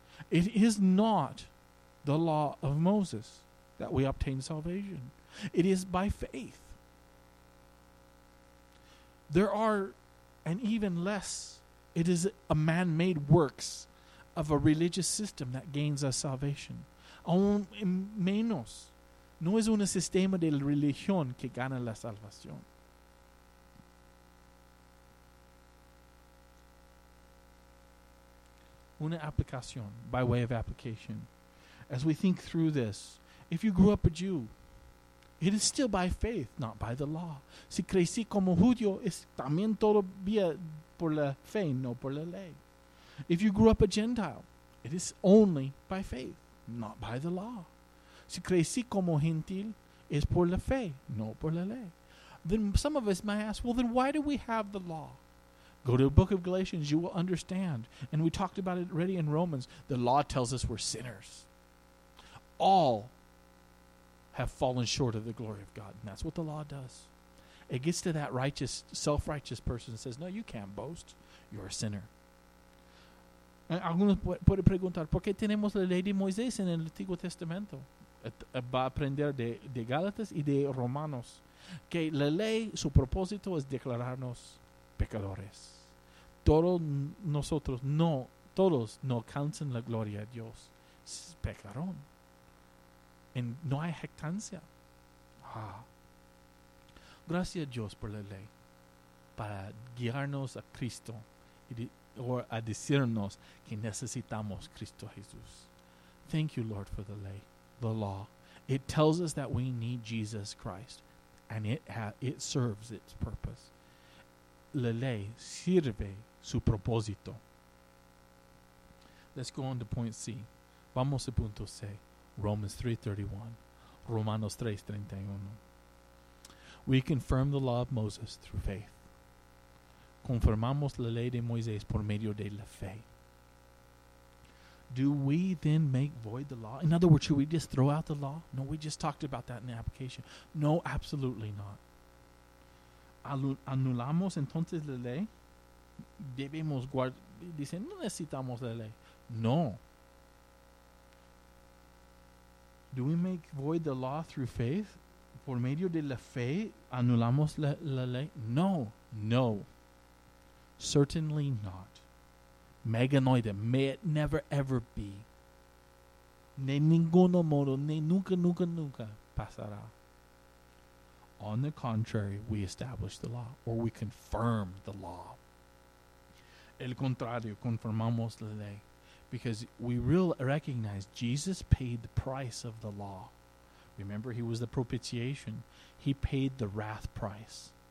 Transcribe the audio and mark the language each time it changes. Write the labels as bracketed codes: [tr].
[en] It is not the law of Moses that we obtain salvation. It is by faith. There are, and even less, it is a man-made works of a religious system that gains us salvation. [es] Aún menos, no es un sistema de religión que gana la salvación. Una aplicación, [en] by way of application. As we think through this, if you grew up a Jew, it is still by faith, not by the law. [es] Si crecí como judío, es también todavía por la fe, no por la ley. [en] If you grew up a Gentile, it is only by faith, not by the law. [es] Si crecí como gentil, es por la fe, no por la ley. [en] Then some of us might ask, well, then why do we have the law? Go to the book of Galatians, you will understand. And we talked about it already in Romans. The law tells us we're sinners. All have fallen short of the glory of God. And that's what the law does. It gets to that righteous, self-righteous person and says, no, you can't boast. You're a sinner. [es] Algunos pueden preguntar, ¿por qué tenemos la ley de Moisés en el Antiguo Testamento? Va a aprender de Gálatas y de Romanos que la ley, su propósito es declararnos pecadores. Todos no alcanzan la gloria de Dios. Pecaron. Y no hay jactancia. Ah. Gracias a Dios por la ley para guiarnos a Cristo a decirnos que necesitamos Cristo Jesús. [en] Thank you, Lord, for the ley, the law. It tells us that we need Jesus Christ, and it serves its purpose. [es] La ley sirve su propósito. [en] Let's go on to point C. [es] Vamos a punto C. [en] Romans 3:31. Romanos 3:31. We confirm the law of Moses through faith. [es] Confirmamos la ley de Moisés por medio de la fe. [en] Do we then make void the law? In other words, should we just throw out the law? No, we just talked about that in the application. No, absolutely not. [es] ¿Anulamos entonces la ley? ¿Debemos guardar? Dicen, no necesitamos la ley. No. [en] Do we make void the law through faith? [es] ¿Por medio de la fe anulamos la ley? [en] No. No. Certainly not. Meganoide, may it never ever be. [es] Ni ninguno modo, ni nunca, nunca, nunca pasará. [en] On the contrary, we establish the law, or we confirm the law. [es] El contrario, confirmamos la ley. [en] Because we really recognize Jesus paid the price of the law. Remember, he was the propitiation. He paid the wrath price.